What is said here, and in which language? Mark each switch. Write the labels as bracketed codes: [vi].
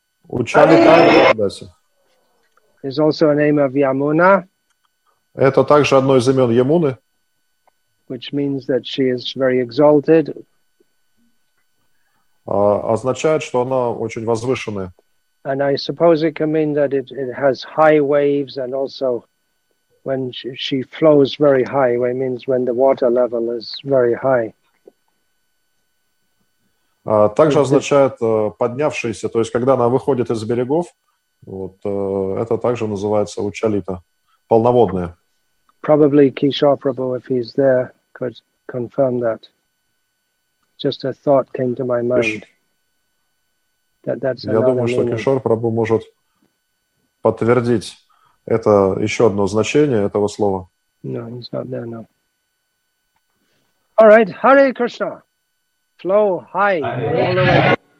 [en] Uchalita Devidasi. Is also a name of Yamuna. [ru] Это также одно из имен Ямуны. [en] Which means that she is very exalted. [ru] Означает, что она очень возвышенная. [en] And I suppose it can mean that it has high waves, and also when she flows very high, it means when the water level is very high. [ru] Также означает поднявшийся, то есть когда она выходит из берегов, вот это также называется учалита, полноводная. [en] Probably Kishore Prabhu, if he's there, could confirm that. Just a thought came to my mind. That's [ru] Я думаю, что Kishore Prabhu может подтвердить это еще одно значение этого слова. [en] No, he's not there, no. All right, Hare Krishna. Flow high, all the way